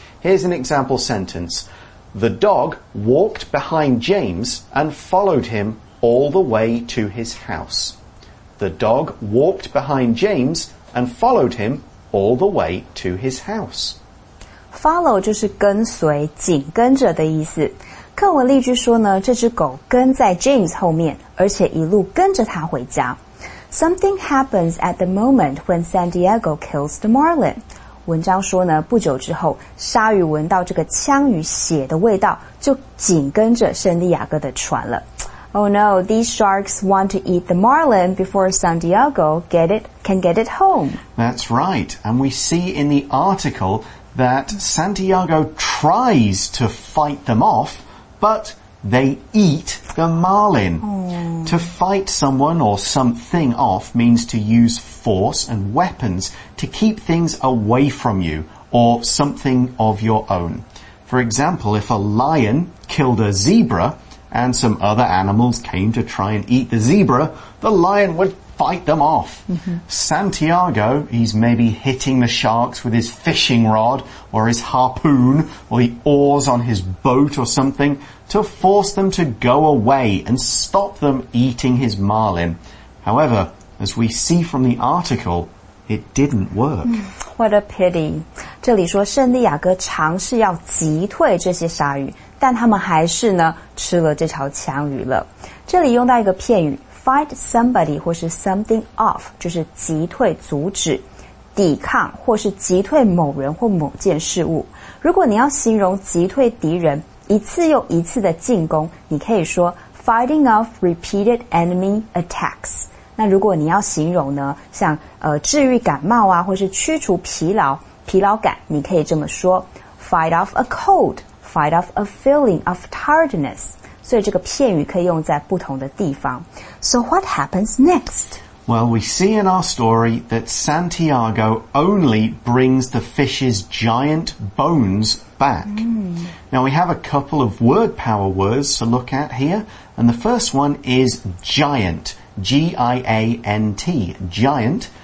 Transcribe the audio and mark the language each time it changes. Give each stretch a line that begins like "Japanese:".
English: Here's an example sentence. The dog walked behind James and followed him all the way to his house. The dog walked behind James and followed him all the way to his house.
Chinese: Follow 就是跟随、紧跟着的意思。课文例句说呢，这只狗跟在 James 后面，而且一路跟着他回家。
English: Something happens at the moment when Santiago kills the marlin.
Chinese: 文章说呢，不久之后，鲨鱼闻到这个枪与血的味道，就紧跟着圣地亚哥的船了。
English: Oh no, these sharks want to eat the marlin before Santiago can get it home. That's right. And we see in the article that Santiago tries to fight them off, but... They eat the marlin. Mm. To fight someone or something off means to use force and weapons to keep things away from you or something of your own. For example, if a lion killed a zebra and some other animals came to try and eat the zebra, the lion would fight them off. Santiago, he's maybe hitting the sharks with his fishing rod or his harpoon or the oars on his boat or something. To force them to go away and stop them eating his marlin. However, as we see from the article, it didn't work. What a pity.
Chinese: 这里说圣地亚哥尝试要击退这些鲨鱼，但他们还是呢吃了这条枪鱼了。这里用到一个片语 ,fight somebody 或是 something off, 就是击退、阻止、抵抗或是击退某人或某件事物。如果你要形容击退敌人，一次又一次的进攻，你可以说
English: fighting off repeated enemy attacks.
Chinese: 那如果你要形容呢，像治愈感冒啊，或是驱除疲劳感，你可以这么说
English: fight off a cold, fight off a feeling of tiredness.
Chinese: 所以这个片语可以用在不同的地方。
English: So what happens next? Well, we see in our story that Santiago only brings the fish's giant bones. Back. Now we have a couple of word power words to look at here, and the first one is giant, G-I-A-N-T, giant.